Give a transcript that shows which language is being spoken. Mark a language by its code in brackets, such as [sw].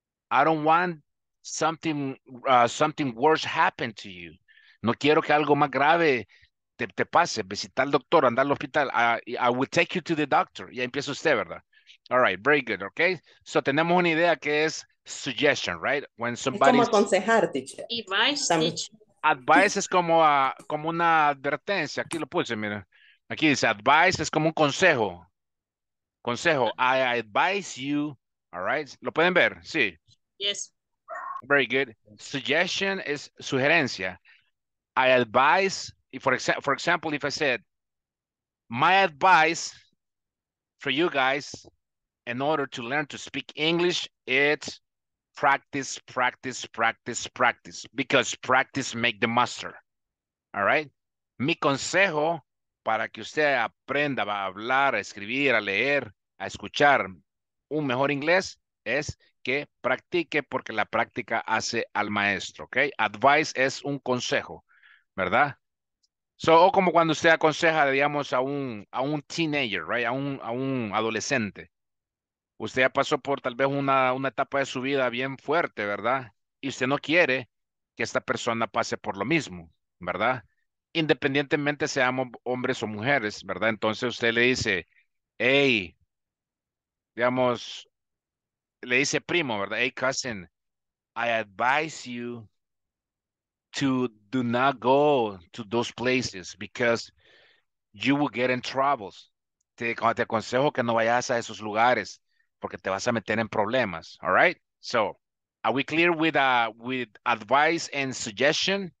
[en] I don't want something worse happened to you. [es] No quiero que algo más grave te pase. Visita al doctor, anda al hospital. [en] I will take you to the doctor. [es] Y empieza usted, ¿verdad? [en] All right, very good, okay? So [es] tenemos una idea que es [en] suggestion, right? When somebody... [es] Es como aconsejar, teacher. [en] Advice, teacher. [es] Advice es como una advertencia. Aquí lo puse, mira. Aquí dice, advice es como un consejo. Consejo, [en] I advise you, all right? [es] ¿Lo pueden ver? Sí. [en] Yes. Very good. Suggestion is sugerencia. I advise, for example, if I said, my advice for you guys in order to learn to speak English, it's practice, because practice make the master, all right? [es] Mi consejo para que usted aprenda a hablar, a escribir, a leer, a escuchar un mejor inglés es que practique porque la práctica hace al maestro, ¿ok? Advice es un consejo, ¿verdad? O como cuando usted aconseja, digamos, a un teenager, [en] right? [es] A un adolescente. Usted ya pasó por tal vez una etapa de su vida bien fuerte, ¿verdad? Y usted no quiere que esta persona pase por lo mismo, ¿verdad? Independientemente seamos hombres o mujeres, ¿verdad? Entonces usted le dice, hey, digamos, le dice primo, ¿verdad? [en] Hey, cousin, I advise you to do not go to those places because you will get in troubles. [es] Te aconsejo que no vayas a esos lugares porque te vas a meter en problemas, [en] all right? So, are we clear with advice and suggestion?